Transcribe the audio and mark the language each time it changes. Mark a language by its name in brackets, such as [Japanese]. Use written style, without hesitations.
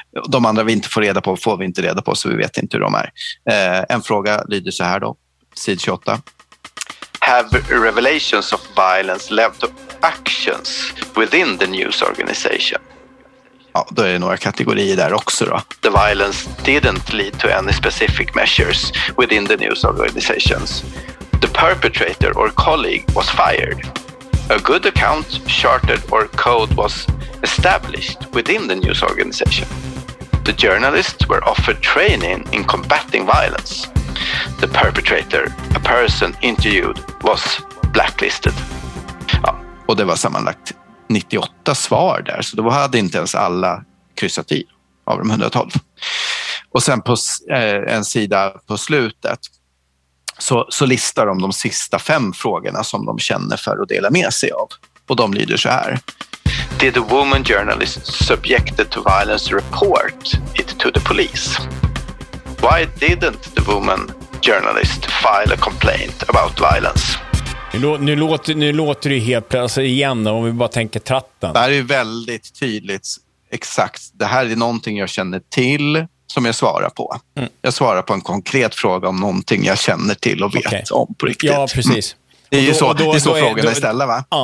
[Swedish] De andra vi inte får reda på får vi inte reda på, så vi vet inte hur de är. En fråga lyder så här då, sid 28. [English] Have revelations of violence led to actions within the news organization? [Swedish] Ja, då är det några kategorier där också då. [English] The violence didn't lead to any specific measures within the news organizations. The perpetrator or colleague was fired. A good account, charted or code was established within the news organization. The journalists were offered training in combating violence. The perpetrator, a person interviewed, was blacklisted. Ja, [Swedish] Och det var sammanlagt 98 svar där. Så då hade inte ens alla kryssat i av de 112. Och sen på en sida på slutet så listar de sista 5 frågorna som de känner för att dela med sig av. Och de lyder så här. [English] Did a woman journalist subjected to violence report it to the police? Why didn't the woman journalist file a complaint about violence? [Swedish] Nu låter det helt plötsligt igen om vi bara tänker tratten. Det här är väldigt tydligt, exakt. Det här är någonting jag känner till som jag svarar på. Mm. Jag svarar på en konkret fråga om någonting jag känner till och vet om på riktigt. Ja, precis. Det är så frågan är ställd, va?